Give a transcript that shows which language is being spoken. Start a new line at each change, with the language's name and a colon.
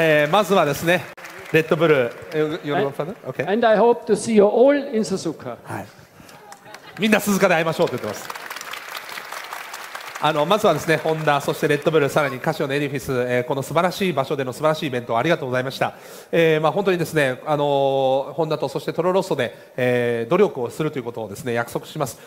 Japanese: まずはですね、レッドブル、
English: okay. And I hope to see you all in Suzuka.
Japanese: はい。みんな鈴鹿で会いましょうと言ってます。まずはですね、ホンダ、そしてレッドブル、さらにカシオのエディフィス、この素晴らしい場所での素晴らしいイベントありがとうございました。本当にですね、ホンダとそしてトロロッソで、努力をするということをですね、約束します。